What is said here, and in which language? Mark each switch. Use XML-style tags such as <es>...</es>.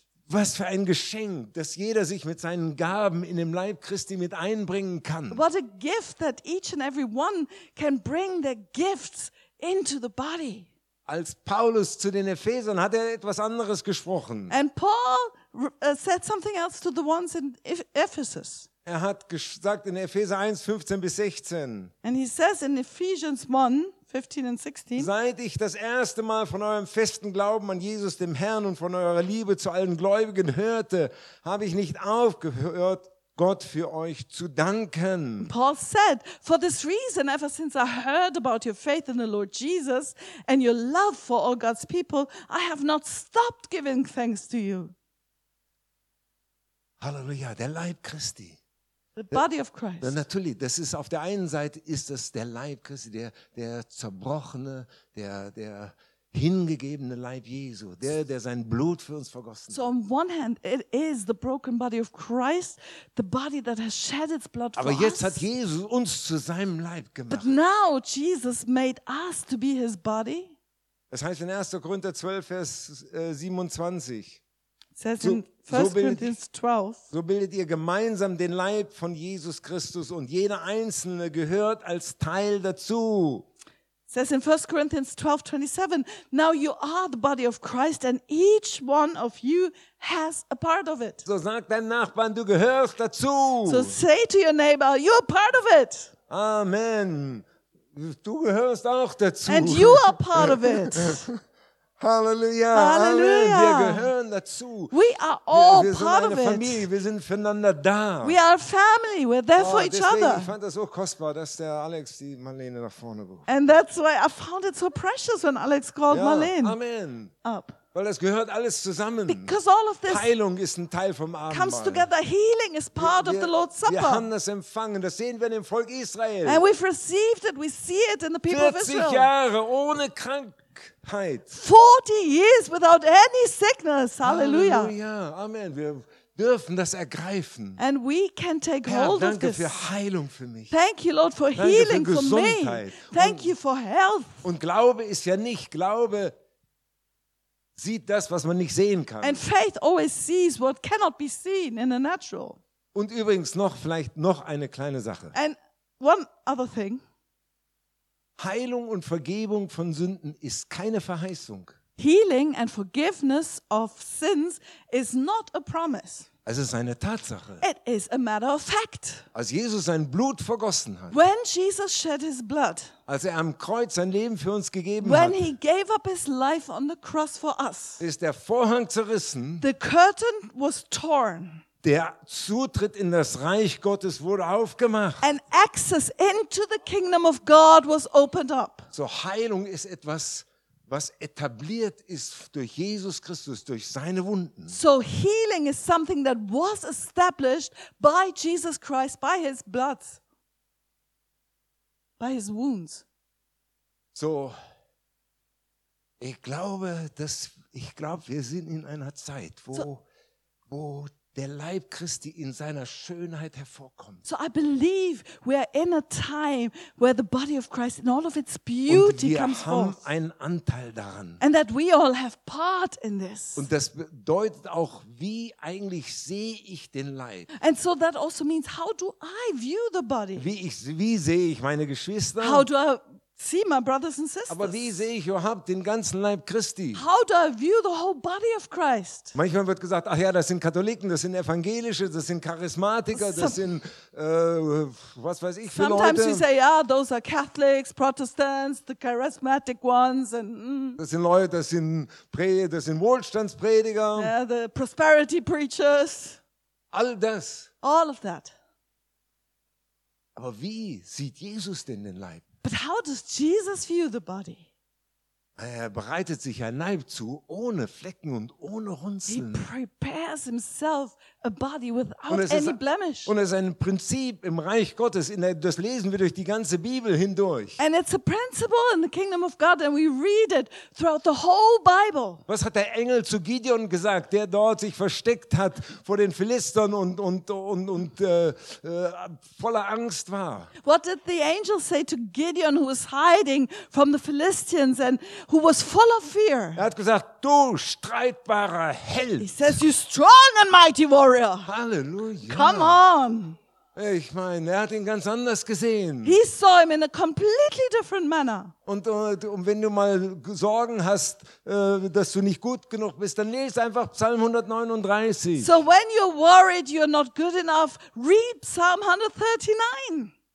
<de>Was für ein Geschenk, dass jeder sich mit seinen Gaben in dem Leib Christi mit einbringen kann.</de> <en>What a gift that each and every one can bring their gifts into the body.</en> <de>Als Paulus zu den Ephesern hat etwas anderes gesprochen.</de> <en>And Paul said something else to the ones in Ephesus.</en> <de>Er hat gesagt in Epheser 1:15-16.</de> <en>And he says in Ephesians 1:15-16.</en> <de>Seit ich das erste Mal von eurem festen Glauben an Jesus, dem Herrn, und von eurer Liebe zu allen Gläubigen hörte, habe ich nicht aufgehört, Gott für euch zu danken.</de> <en>Paul said, for this reason, ever since I heard about your faith in the Lord Jesus and your love for all God's people, I have not stopped giving thanks to you.</en> <de>Halleluja, der Leib Christi.</de> <en>The body of Christ.</en> <de>Natürlich, das ist auf der einen Seite ist das der Leib Christi, der zerbrochene, der hingegebene Leib Jesu, der sein Blut für uns vergossen hat.</de> <en>So on one hand it is the broken body of Christ, the body that has shed its blood for us.</en> <de>Aber jetzt hat Jesus uns zu seinem Leib gemacht.</de> <en>But now Jesus made us to be his body.</en> <de>Das heißt in 1. Korinther 12, Vers 27. So bildet ihr gemeinsam den Leib von Jesus Christus und jeder Einzelne gehört als Teil dazu.</de> <en>It says in 1 Corinthians 12:27, now you are the body of Christ and each one of you has a part of it.</en> <de>So sag dein Nachbarn, du gehörst dazu.</de> <en>So say to your neighbor, you're part of it.</en> <de>Amen. Du gehörst auch dazu.</de> <en>And you are part of it.</en> <de>Halleluja, Halleluja. Wir gehören dazu.</de> <en>We are all part of it.</en> <de>Wir sind eine Familie, wir sind füreinander da.</de> <en>We are family, we're there for each other.</en> <de>Ich fand das so kostbar, dass der Alex die Marlene nach vorne gerufen hat.</de> <en>And that's why I found it so precious when Alex called Marlene. Amen. Up.</en> <de>Weil das gehört alles zusammen.</de> <en>Because all of this</en> <de>Heilung ist ein Teil vom Abendmahl.</de> <en>Comes together. Healing is part of the Lord's Supper.</en> <de>Wir haben das empfangen. Das sehen wir im Volk Israel.</de> <en>And we've received it. We see it in the people of Israel.</en> <de>40 Jahre ohne Krankheit.</de> <en>40 years without any sickness. Hallelujah.</en> <de>Halleluja. Amen. Wir dürfen das ergreifen.</de> <en>And we can take</en> <de>Herr,</de> <en>hold of this.</en> <de>Danke für Heilung für mich.</de> <en>Thank you, Lord, for</en> <de>danke</de> <en>healing</en> <de>für</de> <en>for me. Thank</en> <de>und,</de> <en>you for health.</en> <de>Und Glaube ist ja nicht Glaube sieht das, was man nicht sehen kann.</de> <en>And faith always sees what cannot be seen in the natural.</en> <de>Und übrigens noch vielleicht noch eine kleine Sache.</de> <en>And one other thing.</en> <de>Heilung und Vergebung von Sünden ist keine Verheißung.</de> <en>Healing and forgiveness of sins is not a promise.</en> <de>Es ist eine Tatsache.</de> <en>It is a matter of fact.</en> <de>Als Jesus sein Blut vergossen hat.</de> <en>When Jesus shed his blood.</en> <de>Als er am Kreuz sein Leben für uns gegeben</de> <en>when</en> <de>hat.</de> <en>When he gave up his life on the cross for us.</en> <de>Ist der Vorhang zerrissen.</de> <en>The curtain was torn.</en> <de>Der Zutritt in das Reich Gottes wurde aufgemacht.</de> <en>An access into the kingdom of God was opened up.</en> <de>So Heilung ist etwas, was etabliert ist durch Jesus Christus, durch seine Wunden.</de> <en>So healing is something that was established by Jesus Christ, by his blood, by his wounds.</en> <de>So, ich glaube, wir sind in einer Zeit, wo der Leib Christi in seiner Schönheit hervorkommt.</de> <en>So I believe we are in a time where the body of Christ in all of its beauty comes forth.</en> <de>Und wir haben einen Anteil daran.</de> <en>And that we all have part in this.</en> <de>Und das bedeutet auch, wie eigentlich sehe ich den Leib?</de> <en>And so that also means how do I view the body?</en> <de>Wie sehe ich meine Geschwister?</de> <en>How do I See my brothers and sisters.</en> <de>Aber wie sehe ich überhaupt den ganzen Leib Christi?</de> <en>How do I view the whole body of Christ?</en> <de>Manchmal wird gesagt, ach ja, das sind Katholiken, das sind Evangelische, das sind Charismatiker, das sind was weiß ich für</de> <en>Sometimes</en> <de>Leute.</de> <en>Sometimes we say, yeah, those are Catholics, Protestants, the charismatic ones, and.</en> <de>Das sind Leute, das sind Wohlstandsprediger.</de> <en>Yeah, the prosperity preachers.</en> <de>All das.</de> <en>All of that.</en> <de>Aber wie sieht Jesus denn den Leib?</de> <en>But how does Jesus view the body?</en> <de>Er bereitet sich ein Leib zu, ohne Flecken und ohne Runzeln.</de> <en>He prepares himself a body without any blemish.</en> <de>Und es ist ein Prinzip im Reich Gottes, das lesen wir durch die ganze Bibel hindurch.</de> <en>And it's a principle in the kingdom of God and we read it throughout the whole Bible.</en> <de>Was hat der Engel zu Gideon gesagt, der dort sich versteckt hat vor den Philistern voller Angst war?</de> <en>What did the angel say to Gideon who was hiding from the Philistines and who was full of fear.</en> <de>Er hat gesagt, du streitbarer Held.</de> <en>He says, you strong and mighty warrior.</en> <de>Halleluja.</de> <en>Come on.</en> <de>Ich meine, er hat ihn ganz anders gesehen.</de> <en>He saw him in a completely different manner.</en> <de>Und wenn du mal Sorgen hast, dass du nicht gut genug bist, dann lese einfach Psalm 139.</de> <en>So when you're worried you're not good enough, read Psalm 139.</en>